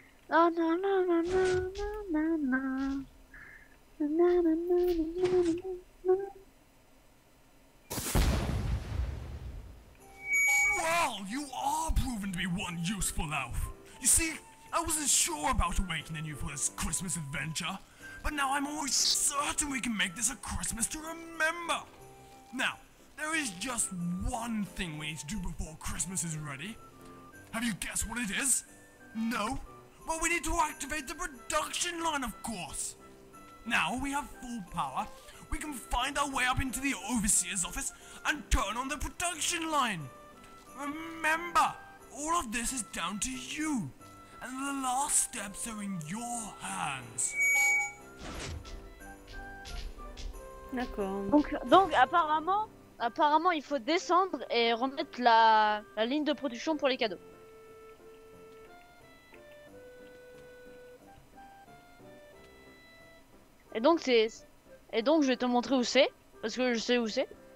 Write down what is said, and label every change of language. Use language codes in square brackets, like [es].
[en] Oh non non non non non non non non non non non non non non. Well, you are proven to be one useful elf. You see, I wasn't sure about awakening you for this Christmas adventure, but now I'm always certain we can make this a Christmas to remember. Now, there is just one thing we need to do before Christmas is ready. Have you guessed what it is? No? Well, we need to activate the production line, of course. Now we have full power, we can find our way up into the overseer's office and turn on the production line. Remember, all of this is down to you, and the last steps are in your hands. [fr] D'accord. Donc apparemment il faut descendre et remettre la ligne de production pour les cadeaux. Et donc je vais te montrer où c'est, parce que je sais où c'est.